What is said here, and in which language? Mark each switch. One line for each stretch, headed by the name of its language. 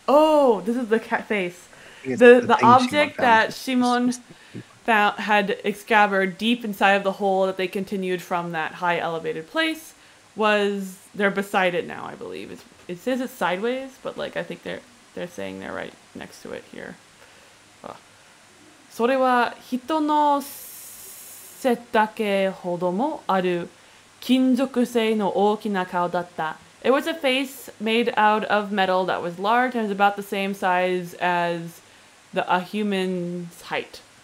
English: Oh, this is the cat face. The object that Shimon found had excavated deep inside of the hole that they continued from that high elevated place was they're beside it now, I believe. It says it's sideways, but like I think they're saying they're right next to it here.
Japanese: それは人の背丈ほどもある金属製の大きな顔だった。
English: It was a face made out of metal that was large and was about the same size as a human's height.